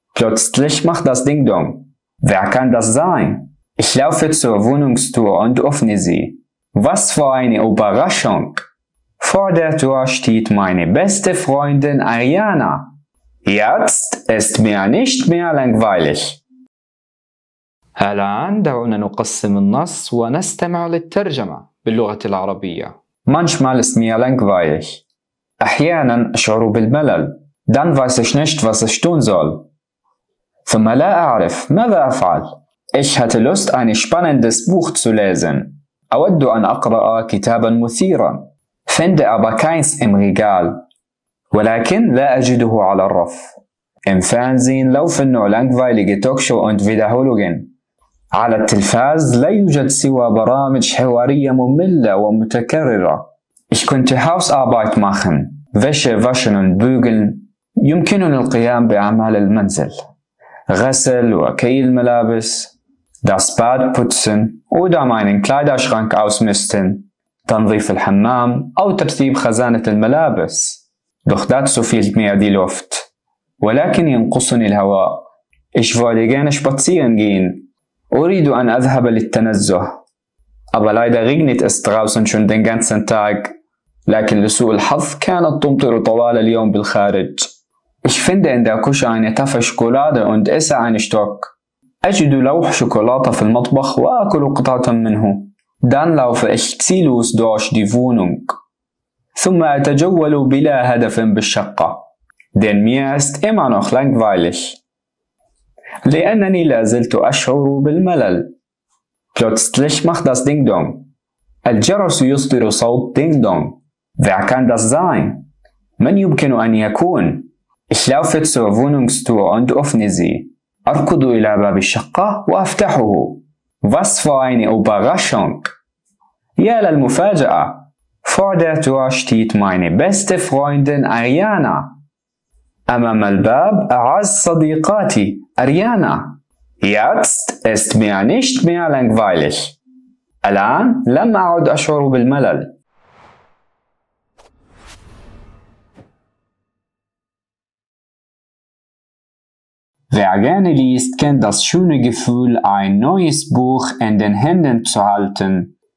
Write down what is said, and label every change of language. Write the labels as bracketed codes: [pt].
[de] Plötzlich macht das Ding Dong. Wer kann das sein? Ich laufe zur Wohnungstür und öffne sie. Was für eine Überraschung! Vor der Tür steht meine beste Freundin Ariana. Jetzt ist mir nicht mehr langweilig. [ar] الآن دعونا نقسم النص ونستمع للترجمة باللغة العربية. [de] Manchmal ist mir langweilig. [ar] أحيانا أشعر بالملل. [de] Dann weiß ich nicht, was ich tun soll. [ar] ثم لا أعرف ماذا أفعل. [de] Ich hatte Lust, ein spannendes Buch zu lesen. [ar] أود أن أقرأ كتابا مثيرا. [de] Finde aber keins im Regal. [ar] ولكن لا أجده على الرف. [de] Im Fernsehen laufen nur langweilige Talkshows und Wiederholungen. [ar] على التلفاز لا يوجد سوى برامج حوارية مملة ومتكررة. [de] Ich könnte Hausarbeit machen. Wäsche waschen und bügeln. [ar] يمكنني القيام بأعمال المنزل. غسل وكي الملابس. [de] Das Bad putzen oder meinen Kleiderschrank ausmisten. [ar] تنظيف الحمام أو ترتيب خزانة الملابس. [de] Doch dazu fehlt mir die Luft. [ar] ولكن ينقصني الهواء. [de] Ich würde gerne spazieren gehen. [ar] أريد أن أذهب للتنزه. [de] Aber leider regnet es draußen schon den ganzen Tag. [ar] لكن لسوء الحظ كانت تمطر طوال اليوم بالخارج. [de] Ich finde in der Küche eine Tafel Schokolade und esse einen Stock. [ar] أجد لوح شوكولاتة في المطبخ وأكل قطعة منه. [de] Dann laufe ich ziellos durch die Wohnung. [ar] ثم أتجول بلا هدف بالشقة. [de] Denn mir ist immer noch langweilig. [ar] لأنني لا زلت أشعر بالملل. [de] Plötzlich macht das Ding Dong. [ar] الجرس يصدر صوت Ding Dong. [de] Wer kann das sein? [ar] من يمكن أن يكون؟ [de] Ich laufe zur Wohnungstür und öffne sie. [ar] أركض إلى باب الشقة وأفتحه. [de] Was für eine Überraschung! [ar] يا للمفاجأة! [de] Vor der Tür steht meine beste Freundin Ariana. [ar] أمام الباب أعز صديقاتي أريانا. [de] Jetzt ist mir nicht mehr langweilig. [ar] الآن لم أعد أشعر بالملل. [de] Wer gerne liest, kennt das schöne Gefühl, ein neues Buch in den Händen zu halten.